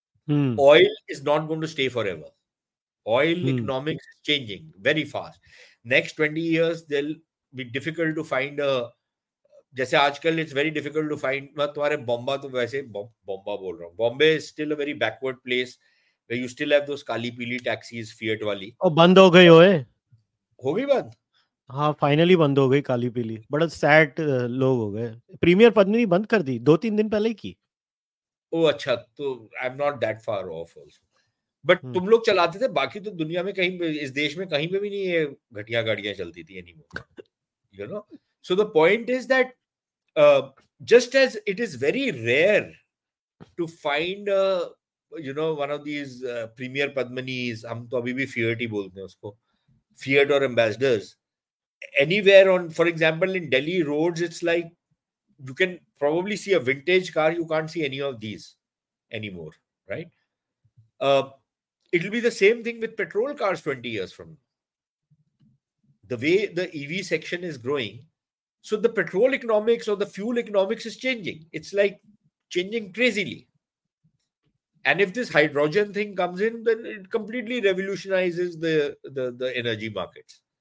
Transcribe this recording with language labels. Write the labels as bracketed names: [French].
[English] Oil is not going to stay forever. Oil economics is changing very fast. Next 20 years, they'll be difficult to find a... [Hindi] Jaise aajkal, [English] it's very difficult to find... [Hindi] Tumhare Bombay to waise Bombay bol raha hu. [English] Bombay is still a very backward place where you still have those Kali Pili taxis, Fiat wali. [Hindi] Oh, band ho gayi hoye. Ho gayi band. हाँ finally बंद हो गई काली पीली बड़ा sad लोग हो गए premiere पद नहीं बंद कर दी दो तीन दिन पहले ही की [English] ओ अच्छा तो I am not that far off also but [Hindi] तुम लोग चलाते थे बाकी तो दुनिया में कहीं इस देश में कहीं पे भी नहीं ये घटिया गाड़ियां चलती थी [English] anymore you know so the point is that just as it is very rare to find you know one of these premier Padminis [Hindi] हम तो अभी भी फियट ही बोलते हैं उसको फियट और ambassadors [English] Anywhere on, for example, in Delhi roads, it's like you can probably see a vintage car. You can't see any of these anymore, right? It'll be the same thing with petrol cars 20 years from now. The way the EV section is growing, so the petrol economics or the fuel economics is changing. It's like changing crazily. And if this hydrogen thing comes in, then it completely revolutionizes the energy markets.